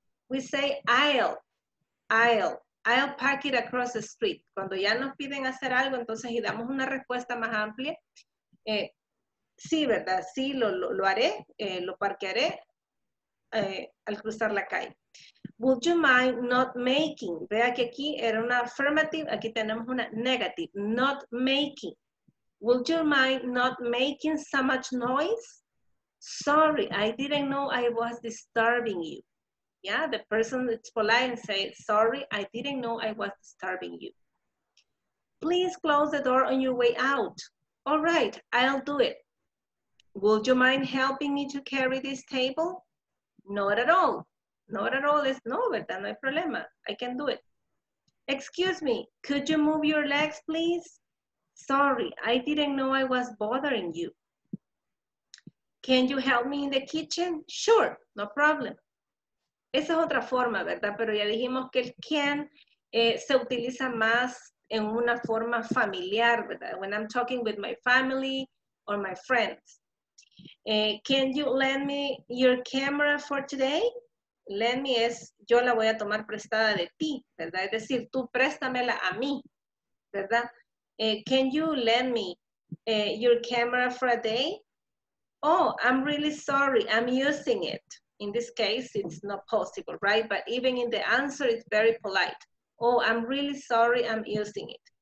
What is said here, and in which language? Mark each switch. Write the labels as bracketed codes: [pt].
[en] We say I'll park it across the street. [es] Cuando ya nos piden hacer algo, entonces y damos una respuesta más amplia. Sí, ¿verdad? Sí, lo haré, lo parquearé al cruzar la calle. [en] Would you mind not making? [es] Vea que aquí era una affirmative, aquí tenemos una negative. [en] Not making. Would you mind not making so much noise? Sorry, I didn't know I was disturbing you. Yeah, the person is polite and say, sorry, I didn't know I was disturbing you. Please close the door on your way out. All right, I'll do it. Would you mind helping me to carry this table? Not at all. Not at all is no, [es] ¿verdad? No hay problema. [en] I can do it. Excuse me, could you move your legs, please? Sorry, I didn't know I was bothering you. Can you help me in the kitchen? Sure, no problem. [es] Esa es otra forma, ¿verdad? Pero ya dijimos que el can se utiliza más en una forma familiar, ¿verdad? [en] When I'm talking with my family or my friends. Can you lend me your camera for today? [es] Lend me es, yo la voy a tomar prestada de ti, ¿verdad? Es decir, tú préstamela a mí, ¿verdad? [en] Can you lend me your camera for a day? Oh, I'm really sorry, I'm using it. In this case, it's not possible, right? But even in the answer, it's very polite. Oh, I'm really sorry, I'm using it.